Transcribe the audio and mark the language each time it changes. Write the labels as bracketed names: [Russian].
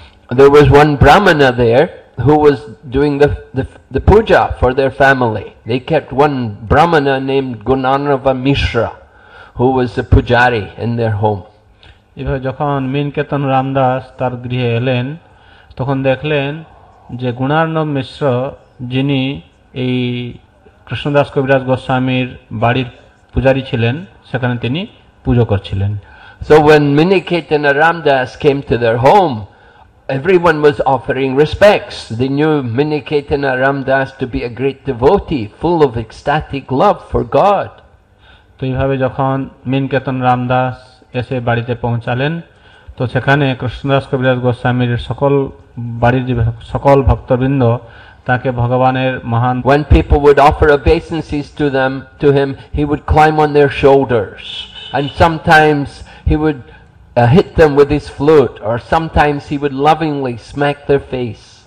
[English] There was one Brahmana there who was doing the puja for their family. They kept one Brahmana named Gunanrava Mishra who was the pujari in their home. [Bangla] এবার যখন মিন কেতন রামদাস তার গৃহে এলেন তখন দেখলেন যে গুণার্ণব মিশ্র যিনি এই কৃষ্ণদাস কবিরাজ গোস্বামীর বাড়ির পূজারী ছিলেন সেখানে তিনি পূজো করছিলেন। [English] So when Mini Ketana Ram Das came to their home, everyone was offering respects. They knew Mini Ketana Ram Das to be a great devotee, full of ecstatic love for God. [Bangla] তো এইভাবে যখন মিন কেতন রামদাস এসে বাড়িতে পৌঁছালেন তো সেখানে কৃষ্ণদাস কবিরাজ গোস্বামীর সকল বাড়ির যে সকল ভক্তবৃন্দ তাকে ভগবানের মহান। [English] When people would offer obeisances to him, he would climb on their shoulders. And sometimes he would hit them with his flute, or sometimes he would lovingly smack their face.